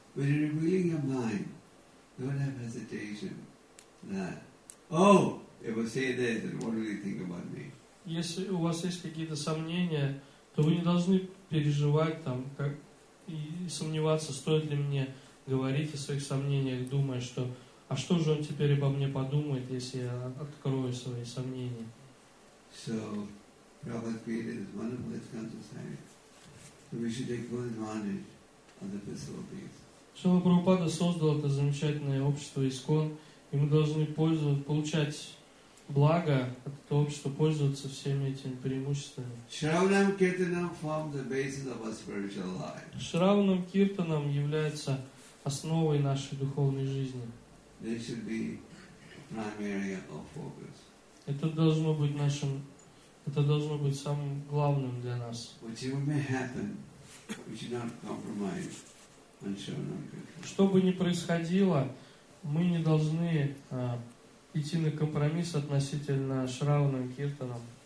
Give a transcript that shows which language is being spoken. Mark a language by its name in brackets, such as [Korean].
[Russian] Если у вас есть какие-то сомнения, то вы не должны переживать там как, и сомневаться, стоит ли мне говорить о своих сомнениях, думая, что а что же он теперь обо мне подумает, если я открою свои сомнения. [English] So, Prabhupada created this wonderful ISKCON society. So we should take full advantage of the facilities. [Russian] Шрила Прабхупада создал это замечательное общество ИСКОН, и мы должны получать благо от этого общества, пользоваться всеми этими преимуществами. [English] Шравнам Киртанам form the basis of our spiritual life. [Russian] Шравнам Киртанам является основой нашей духовной жизни. [English] They should be prime area of focus. [Russian] Это должно быть нашим, это должно быть самым главным для нас. [English] Whatever may happen, we should not compromise on Shravanam Kirtanam. [Russian] Что бы ни происходило, мы не должны идти на компромисс относительно Шравнам Киртанам.